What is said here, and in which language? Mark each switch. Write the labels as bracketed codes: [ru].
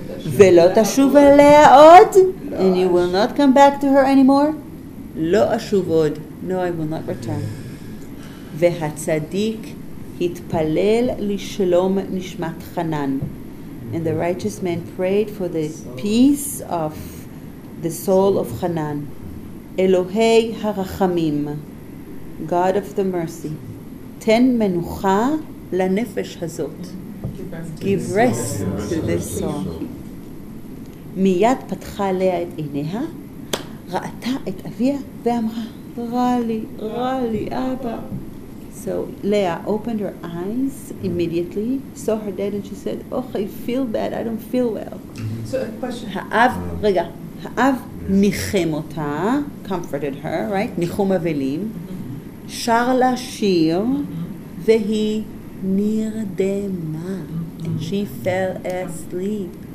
[he] ולא תשוב אליה עוד, [en] and you will not come back to her anymore. [he] לא אשוב עוד. [en] No, I will not return. [he] והצדיק התפלל לשלום נשמת חנן. [en] And the righteous man prayed for the peace of the soul of חנן. [he] אלוהי הרחמים, [en] God of the mercy, [he] תן מנוחה לנפש הזאת. [en] Give rest to this soul. [he] מיד פתחה לאה את עיניה, ראתה את אביה ואמרה, רע לי, אבא. [en] So Leah opened her eyes immediately, saw her dad, and she said, "Oh, I feel bad. I don't feel well." So a question. [he] Ha'av, rega. Ha'av nichem ota, [en] comforted her, right? [he] Nichum avelim. Shar la shir, vehi nirdema, [en] and she fell asleep.